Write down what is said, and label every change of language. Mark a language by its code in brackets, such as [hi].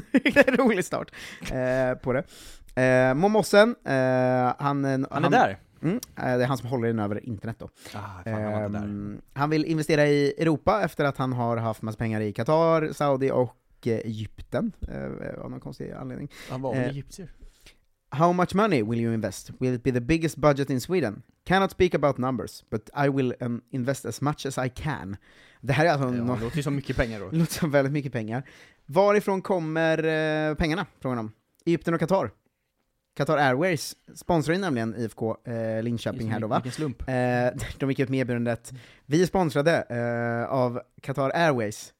[sv] Det är en rolig start på det. Mo Mossen, han är där. Det är han som håller in över internet då. Ah, fan, han var inte där. Han vill investera i Europa efter att han har haft massa pengar i Qatar, Saudi och Egypten av någon konstig anledning. Han var egyptier. [en] How much money will you invest? Will it be the biggest budget in Sweden? Cannot speak about numbers, but I will invest as much as I can. [sv] Det här är alltså det låter som mycket pengar då. Det låter som väldigt mycket pengar. Varifrån kommer pengarna? Frågan om. Egypten och Qatar. Qatar Airways sponsrar ju nämligen IFK Linköping här då, va? Vilken slump. De gick ut med erbjudandet. Vi är sponsrade av Qatar Airways.